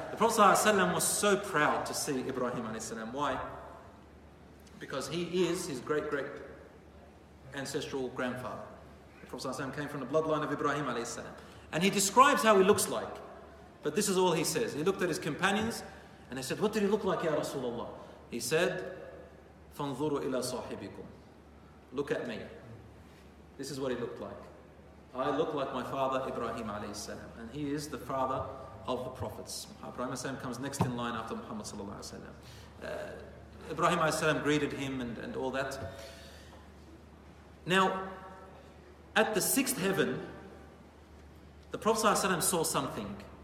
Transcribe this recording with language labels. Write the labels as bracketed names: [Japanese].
[English] The Prophet sallallahu alaihi wasallam was so proud to see Ibrahim alayhi salam. Why? Because he is his great-great ancestral grandfather. The Prophet sallallahu alaihi wasallam came from the bloodline of Ibrahim alayhi salam. And he describes how he looks like. But this is all he says. He looked at his companions and they said, what did he look like, Ya Rasulullah? He said, [Arabic] فَانْظُرُوا إِلَىٰ صَاحِبِكُمْ. [English] Look at me. This is what he looked like. I look like my father, Ibrahim alayhi salam. And he is the father of the prophets. Ibrahim alayhi salam comes next in line after Muhammad sallallahu alayhi salam. Ibrahim alayhi salam greeted him and all that. Now, at the sixth heaven, the Prophet ﷺ saw something.